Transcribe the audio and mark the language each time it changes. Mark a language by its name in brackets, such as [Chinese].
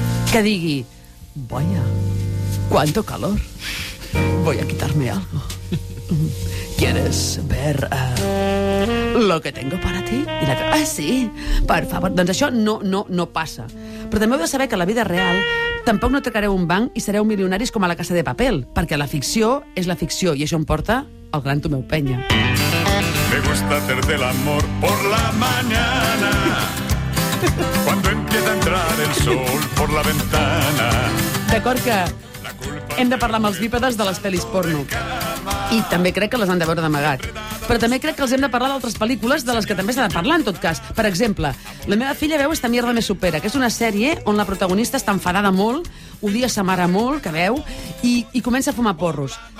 [Spanish] Que digui, vaya, cuánto calor. Voy a quitarme algo. ¿Quieres ver lo que tengo para ti? [Catalan] I l'altre, ah, sí, per favor. Doncs això no passa. Però també heu de saber que a la vida real tampoc no trecareu un banc i sereu milionaris com a la Casa de Papel, perquè la ficció és la ficció i això em porta el gran Tomeu Penya. [Spanish] Me gusta hacerte el amor por la mañana cuando empieza a entrar el sol por la ventana. [Catalan] D'acord que hem de parlar amb els bípedes de les pel·lis porno. I també crec que les han de veure d'amagat. Però també crec que els hem de parlar d'altres pel·lícules de les que també s'ha de parlar, en tot cas. Per exemple, la meva filla veu Esta mierda me supera, que és una sèrie on la protagonista està enfadada molt, odia sa mare molt, que veu, i comença a fumar porros.